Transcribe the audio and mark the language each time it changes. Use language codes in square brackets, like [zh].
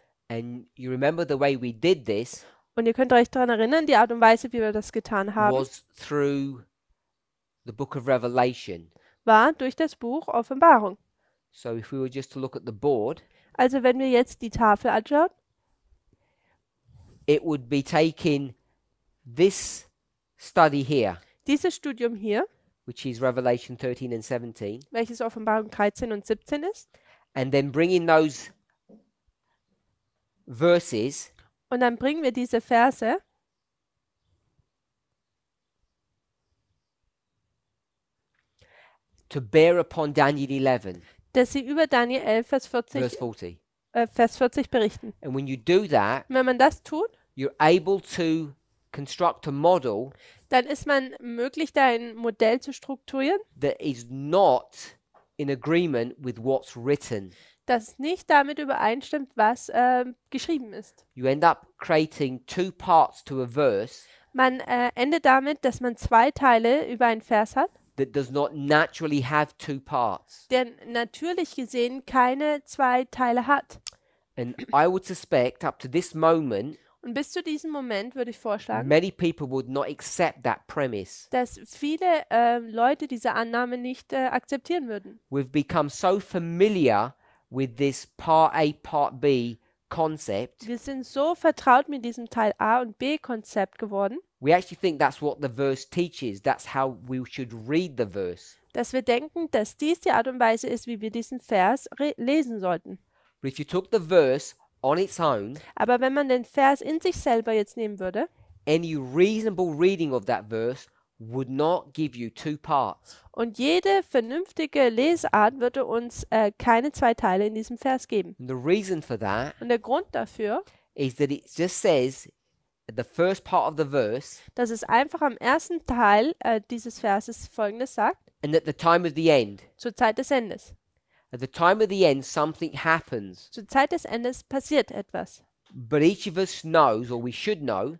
[en] And you remember the way we did this? [de] Und ihr könnt euch daran erinnern, die Art und Weise, wie wir das getan haben, [en] was through the book of Revelation. [de] War durch das Buch Offenbarung. [en] So if we were just to look at the board, [de] also wenn wir jetzt die Tafel anschauen, [en] it would be taking this study here, [de] dieses Studium hier, [en] which is Revelation 13 and 17, [de] welches Offenbarung 13 und 17 ist, [en] and then bringing those verses, [de] und dann bringen wir diese Verse [en] to bear upon Daniel 11, [de] dass sie über Daniel 11, Vers 40, [en] verse 40. [de] Vers 40 berichten. [en] And when you do that, [de] wenn man das tut, [en] you're able to construct a model, [de] dann ist man möglich, da ein Modell zu strukturieren, [en] that is not in agreement with what's written. [de] Das nicht damit übereinstimmt, was geschrieben ist. [en] You end up creating two parts to a verse, [de] man endet damit, dass man zwei Teile über einen Vers hat, [en] that does not naturally have two parts. [de] Denn natürlich gesehen keine zwei Teile hat. [en] And I would suspect up to this moment, [de] und bis zu diesem Moment würde ich vorschlagen, [en] many people would not accept that premise, [de] dass viele Leute diese Annahme nicht akzeptieren würden. [en] We've become so familiar with this part A, part B concept. [de] Wir sind so vertraut mit diesem Teil A und B Konzept geworden. [en] We actually think that's what the verse teaches. That's how we should read the verse. [de] Dass wir denken, dass dies die Art und Weise ist, wie wir diesen Vers lesen sollten. [en] But if you took the verse on its own, [de] aber wenn man den Vers in sich selber jetzt nehmen würde, [en] any reasonable reading of that verse would not give you two parts. [de] Und jede vernünftige Lesart würde uns keine zwei Teile in diesem Vers geben. [en] And the reason for that, [de] und der Grund dafür, [en] is that it just says the first part of the verse, [de] dass es einfach am ersten Teil dieses Verses Folgendes sagt, [en] and at the time of the end, [de] zur Zeit des Endes. [en] At the time of the end, something happens. [de] Zur Zeit des Endes passiert etwas. [en] But each of us knows, or we should know,